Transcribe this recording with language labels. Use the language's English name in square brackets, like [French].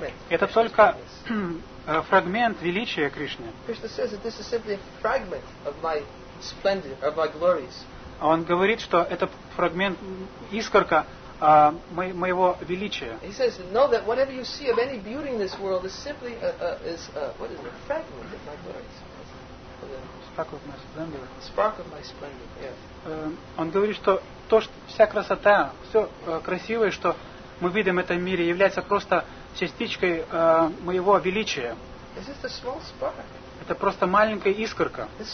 [Russian] Это только фрагмент величия Кришны. [English] Krishna says that this is simply a fragment of my splendor, of my glories. [Russian] Он говорит, что это фрагмент, искорка моего величия. [English] He says, know that whatever you see of any beauty in this world is simply a fragment of my glories. Spark of my splendor. Spark of my splendor. [Russian] Он говорит, что то, что вся красота, все красивое, что мы видим в этом мире, является просто частичкой моего величия. [English] It's just a small spark. [Russian] Это просто маленькая искорка.